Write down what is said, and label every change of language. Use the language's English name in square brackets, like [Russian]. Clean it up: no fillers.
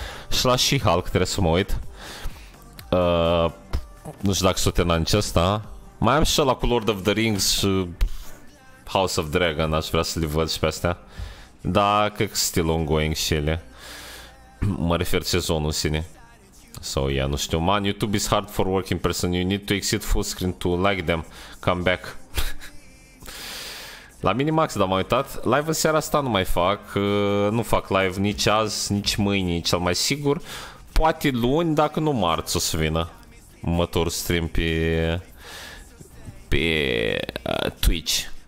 [Romanian] Și la She-Hulk trebuie să mă uit. Nu știu dacă s-o terminat nici ăsta. Mai am și ăla cu Lord of the Rings și House of Dragon. Aș vrea să le văd și pe astea. Dar cred că [English] still ongoing [Romanian] și ele. Mă refer sezonul sine. Sau [English] so, yeah, [Romanian] ea, nu știu. [English] Man, YouTube is hard for working person. You need to exit full screen to like them. Come back. [Romanian] La Minimax, dar m-am uitat. Live în seara asta nu mai fac. Nu fac live nici azi, nici mâine, cel mai sigur. poate luni, dacă nu marți o să vină. Următor stream pe Twitch.